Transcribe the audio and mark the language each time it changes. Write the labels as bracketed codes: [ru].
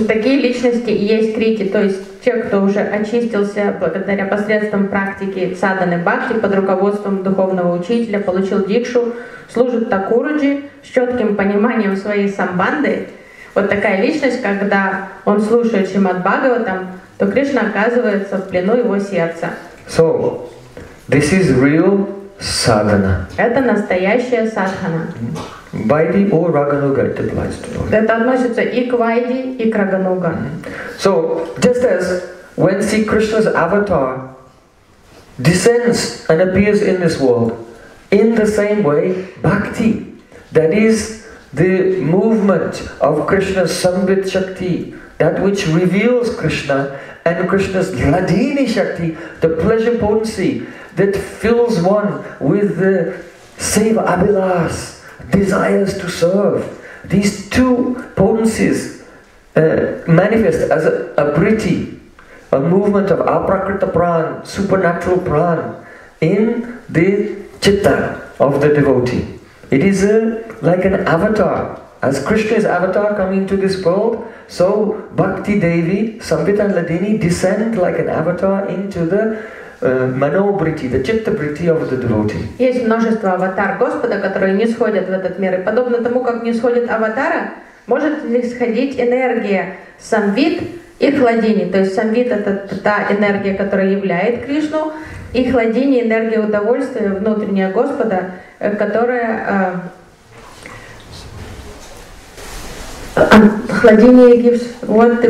[ru] Такие личности есть крити, то есть те, кто уже очистился благодаря посредством практики саданы бхакти под руководством духовного учителя, получил дикшу, служит Такуруджи с четким пониманием своей самбанды. Вот такая личность, когда он слушает Шримад Бхагаватам, то Кришна оказывается в плену его сердца. [en] So, this is real sadhana. [ru] Это настоящая садхана. [en] Vaidhi or Raganuga, it applies to both. [ru] Это относится и к Вайди, и к Рагануга. [en] So, just as when Sri Krishna's avatar descends and appears in this world, in the same way, bhakti, that is the movement of Krishna's Sambhit Shakti, that which reveals Krishna, and Krishna's Ladini Shakti, the pleasure potency that fills one with the seva abhilas, desires to serve. These two potencies manifest as a briti, a movement of aprakrita pran, supernatural pran, in the chitta of the devotee. It is like an avatar. As Krishna's avatar coming to this world, so Bhakti Devi, Sambhita and Ladini descend like an avatar into the manobriti, the chitta briti of the devotee. [ru] Есть множество аватар Господа, которые не сходят в этот мир. И подобно тому, как не сходит аватара, может ли сходить энергия самвит и хладини? То есть самвит — это та энергия, которая являет Кришну, и хладини — энергия удовольствия внутренняя Господа, которая хладение gives what the